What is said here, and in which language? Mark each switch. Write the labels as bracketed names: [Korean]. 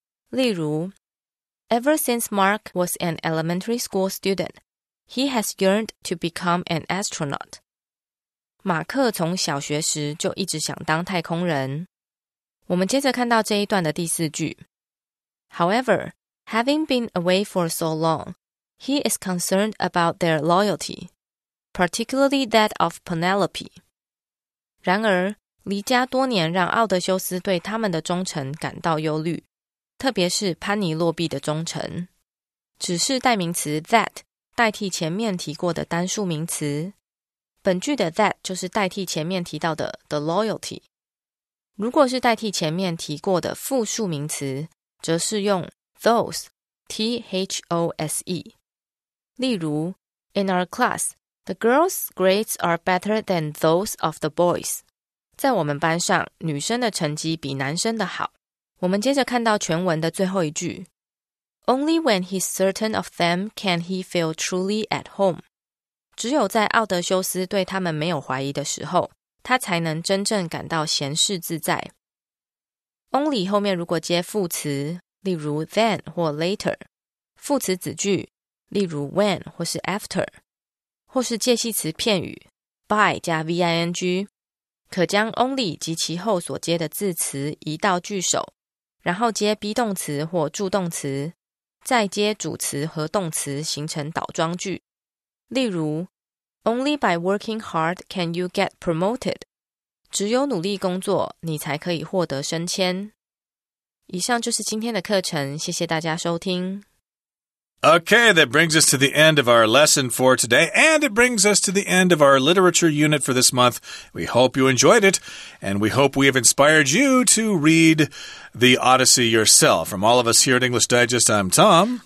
[Chinese] 例如 [English] Ever since Mark was an elementary school student, he has yearned to become an astronaut. [Chinese] 马克从小学时就一直想当太空人。我们接着看到这一段的第四句。 [English] However, having been away for so long, he is concerned about their loyalty, particularly that of Penelope. [Chinese] 然而离家多年让奥德修斯对他们的忠诚感到忧虑，特别是潘尼洛毕的忠诚。只是代名词 that 代替前面提过的单数名词，本句的 that 就是代替前面提到的 the loyalty。如果是代替前面提过的复数名词，则是用 those T-H-O-S-E。例如 [English] In our class, the girls' grades are better than those of the boys. [Chinese] 在我们班上，女生的成绩比男生的好。我们接着看到全文的最后一句 [English] Only when he's certain of them can he feel truly at home. [Chinese] 只有在奥德修斯对他们没有怀疑的时候，他才能真正感到闲适自在。 Only 后面如果接副词，例如 then 或 later, 副词子句，例如 when 或是 after, 或是介系词片语 by 加 ving,可将 only 及其后所接的字词移到句首，然后接 be 动词或助动词，再接主词和动词形成倒装句。例如 [English] Only by working hard can you get promoted. [Chinese] 只有努力工作，你才可以获得升迁。以上就是今天的课程，谢谢大家收听。 [English] Okay, that brings us to the end of our lesson for today, and it brings us to the end of our literature unit for this month. We hope you enjoyed it, and we hope we have inspired you to read the Odyssey yourself. From all of us here at English Digest, I'm Tom.